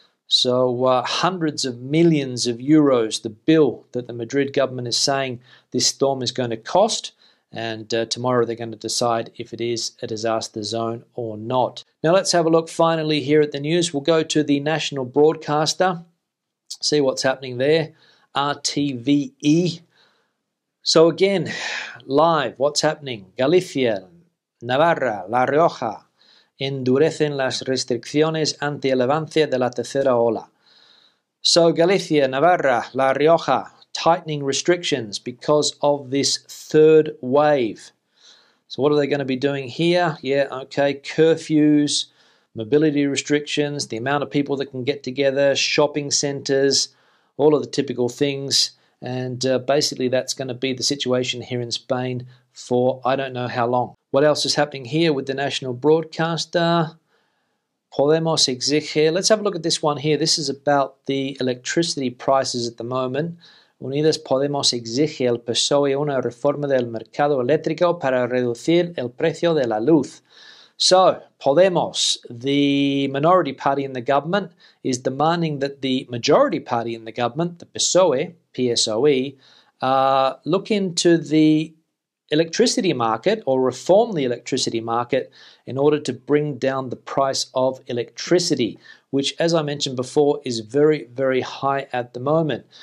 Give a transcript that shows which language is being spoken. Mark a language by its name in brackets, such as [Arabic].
[English] So hundreds of millions of euros, the bill that the Madrid government is saying this storm is going to cost, and tomorrow they're going to decide if it is a disaster zone or not. Now let's have a look finally here at the news. We'll go to the national broadcaster, see what's happening there, RTVE. So again, live, what's happening? [Spanish] Galicia, Navarra, La Rioja endurecen las restricciones ante el avance de la tercera ola. [English] So Galicia, Navarra, La Rioja, tightening restrictions because of this third wave. So what are they going to be doing here? Yeah, okay, curfews, mobility restrictions, the amount of people that can get together, shopping centres, all of the typical things. And basically that's going to be the situation here in Spain for I don't know how long. What else is happening here with the national broadcaster? Podemos exige. Let's have a look at this one here. This is about the electricity prices at the moment. [Spanish] Unidas Podemos exige al PSOE una reforma del mercado eléctrico para reducir el precio de la luz. [English] So, Podemos, the minority party in the government, is demanding that the majority party in the government, the PSOE, look into the electricity market or reform the electricity market in order to bring down the price of electricity, which, as I mentioned before, is very, very high at the moment.